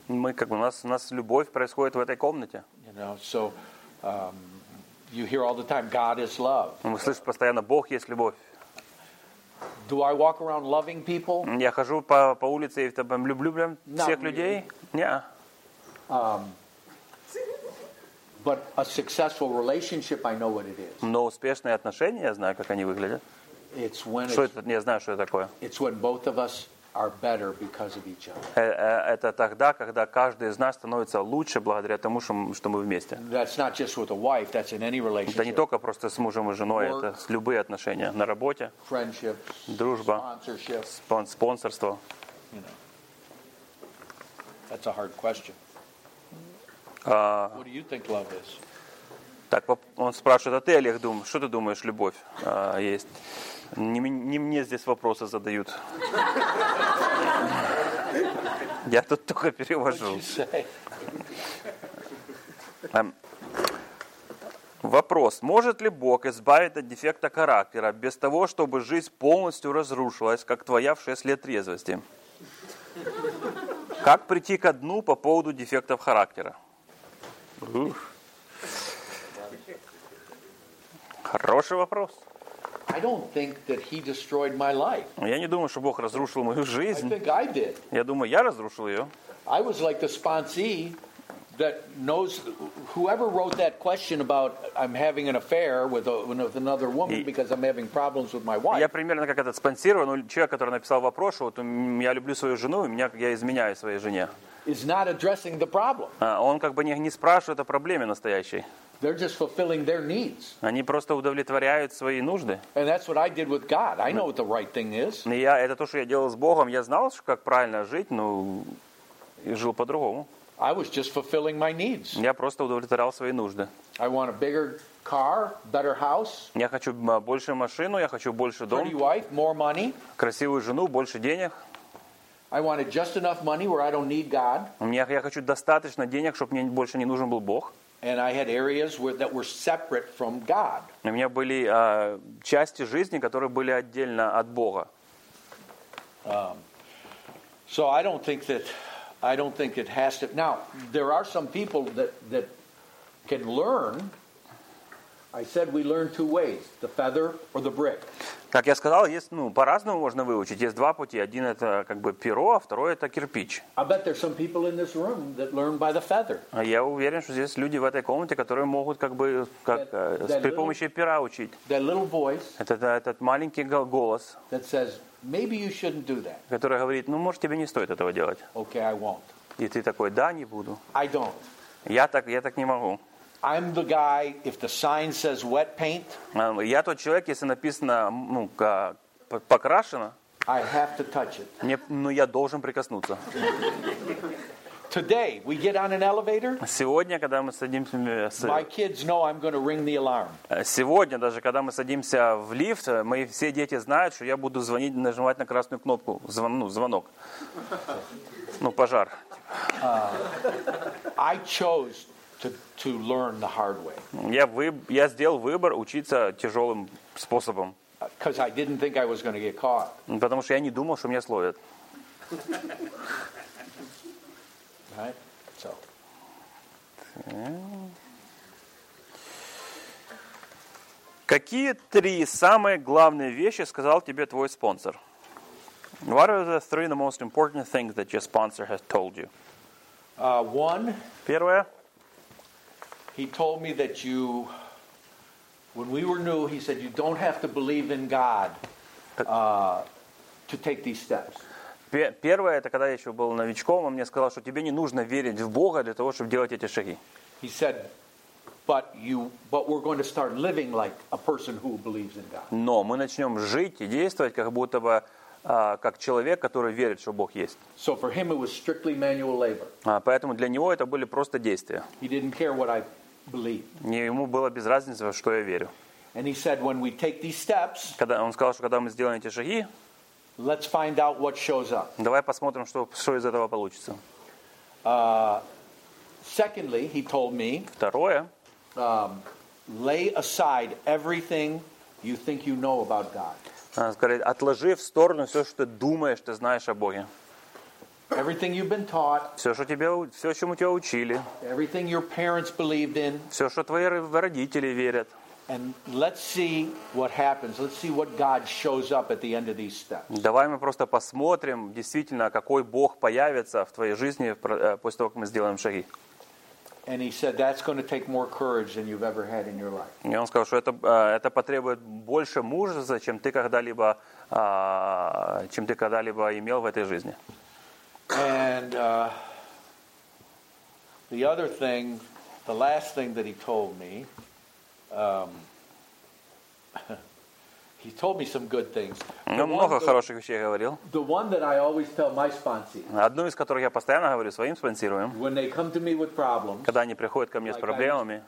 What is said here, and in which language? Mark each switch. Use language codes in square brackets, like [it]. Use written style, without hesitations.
[ru] Мы как бы у нас любовь происходит в этой комнате. [en] You know, so you hear all the time, God is love. [ru] Мы слышим постоянно, Бог есть любовь. [en] Do I walk around loving people? [ru] Я хожу по улице и там люблю всех людей. Нет. [en] But a successful relationship, I know what it is. [ru] Но успешные отношения, я знаю, как они выглядят. [en] It's when [ru] что это? Я знаю, что это такое. [en] It's when both of us are better because of each other. [ru] Это тогда, когда каждый из нас становится лучше благодаря тому, что мы вместе. [en] That's not just with a wife, that's in any relationship. [ru] Это не только просто с мужем и женой, это с любые отношения, на работе, [en] friendship, [ru] дружба, [en] sponsorship, [ru] спонсорство. [en] You know, that's a hard question. What do you think love is? [ru] Так, он спрашивает, а ты, Олег, думаешь, что ты думаешь, любовь есть? Не мне здесь вопросы задают. Я тут только перевожу. Вопрос. Может ли Бог избавить от дефекта характера без того, чтобы жизнь полностью разрушилась, как твоя в 6 лет трезвости? Как прийти ко дну по поводу дефектов характера? Хороший вопрос. [en] I don't think that he destroyed my life. [ru] Я не думаю, что Бог разрушил мою жизнь. [en] I think I did. [ru] Я думаю, я разрушил ее. [en] I was like the sponsee that knows whoever wrote that question about I'm having an affair with another woman because I'm having problems with my wife. [ru] Я примерно как этот спонсированный человек, который написал вопрос, что вот я люблю свою жену, я изменяю своей жене. [en] Is not addressing the problem. [ru] Он как бы не спрашивает о проблеме настоящей. [en] They're just fulfilling their needs. [ru] Они просто удовлетворяют свои нужды. [en] And that's what I did with God. I know what the right thing is. [ru] Я это то, что я делал с Богом. Я знал, как правильно жить, но и жил по-другому. [en] I was just fulfilling my needs. [ru] Я просто удовлетворял свои нужды. [en] I want a bigger car, better house. [ru] Я хочу большую машину, я хочу больше дом. [en] Pretty wife, more money. [ru] Красивую жену, больше денег. [en] I wanted just enough money where I don't need God. [ru] Я хочу достаточно денег, чтобы мне больше не нужен был Бог. [en] And I had areas where, that were separate from God. [ru] У меня были части жизни, которые были отдельно от Бога. [en] So I don't think it has to. Now there are some people that can learn. I said we learn two ways: the feather or the brick. [ru] Как я сказал, есть по-разному можно выучить. Есть два пути: один это перо, а второй это кирпич. [en] I bet there's some people in this room that learn by the feather. [ru] Я уверен, что здесь люди в этой комнате, которые могут при помощи пера учить. [en] That little voice. [ru] Этот маленький голос. [en] That says maybe you shouldn't do that. [ru] Который говорит: может тебе не стоит этого делать. [en] Okay, I won't. [ru] И ты такой: да, не буду. [en] I don't. [ru] Я так не могу. [en] I'm the guy if the sign says wet paint. [ru] Я тот человек, если написано, покрашено. [en] I have to touch it. [ru] Я должен прикоснуться. [en] Today we get on an elevator. [ru] Сегодня, когда мы садимся [en] My kids know I'm going to ring the alarm. [ru] Сегодня даже когда мы садимся в лифт, мои все дети знают, что я буду звонить, нажимать на красную кнопку, звонок. Пожар. [en] I chose to learn the hard way. [ru] Я сделал выбор учиться тяжёлым способом. [en] Because I didn't think I was going to get caught. [ru] Потому что я не думал, что меня словят. [en] Right? So. [ru] Какие три самые главные вещи сказал тебе твой спонсор? [en] What are the three the most important things that your sponsor has told you? One. [ru] Первое. [en] He told me that you, when we were new, he said you don't have to believe in God to take these steps. [ru] Первое это когда я еще был новичком, он мне сказал, что тебе не нужно верить в Бога для того, чтобы делать эти шаги. [en] He said, but we're going to start living like a person who believes in God. [ru] Но мы начнем жить и действовать как будто бы как человек, который верит, что Бог есть. [en] So for him it was strictly manual labor. [ru] Поэтому для него это были просто действия. [en] He didn't care what I believe. [ru] Ему было без разницы, во что я верю. [en] And he said, when we take these steps, [ru] когда он сказал, что когда мы сделаем эти шаги, [en] let's find out what shows up. [ru] Давай посмотрим, что из этого получится. [en] Secondly, he told me, [ru] второе, [en] lay aside everything you think you know about God. [ru] Говорит, отложи в сторону все, что ты думаешь, ты знаешь о Боге. [en] Everything you've been taught. [ru] Все, чему тебя учили. [en] Everything your parents believed in. [ru] Все, что твои родители верят. [en] And let's see what happens. Let's see what God shows up at the end of these steps. [ru] Давай мы просто посмотрим, действительно, какой Бог появится в твоей жизни после того, как мы сделаем шаги. [en] And he said that's going to take more courage than you've ever had in your life. [ru] И он сказал, что это потребует больше мужества, чем ты когда-либо имел в этой жизни. [en] And the other thing, the last thing that he told me, he told me some good things. [ru] Много хороших вещей говорил. [en] The one that I always tell my sponsees. [ru] Одну из которых я постоянно говорю своим спонсируем. [en] When they come to me with problems. [ru] Когда они приходят ко мне с проблемами.